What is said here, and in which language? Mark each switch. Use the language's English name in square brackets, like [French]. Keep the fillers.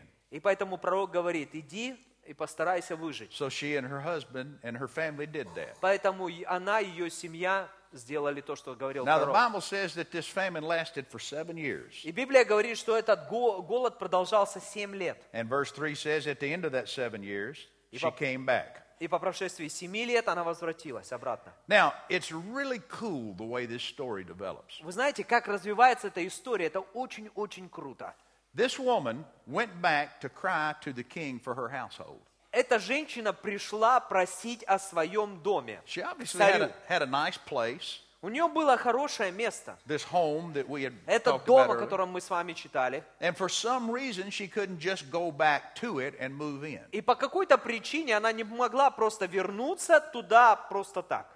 [Russian] И поэтому пророк говорит, иди и постарайся выжить. [English] So she and her husband and her family did that. [Russian] Поэтому она и ее семья сделали то, что говорил Now, пророк. [English] The Bible says that this famine lasted for seven years. [Russian] И Библия говорит, что этот голод продолжался семь лет. [English] And verse three says, at the end of that seven years, и she по... came back. [Russian] И по прошествии семи лет она возвратилась обратно. [English] Now, it's really cool the way this story develops. [Russian] Вы знаете, как развивается эта история? Это очень-очень круто. [English] This woman went back to cry to the king for her household. [Russian] Эта женщина пришла просить о своем доме. [English] She obviously had a, had a nice place. [Russian] У нее было хорошее место. This Это дом, о котором мы с вами читали. И по какой-то причине она не могла просто вернуться туда просто так.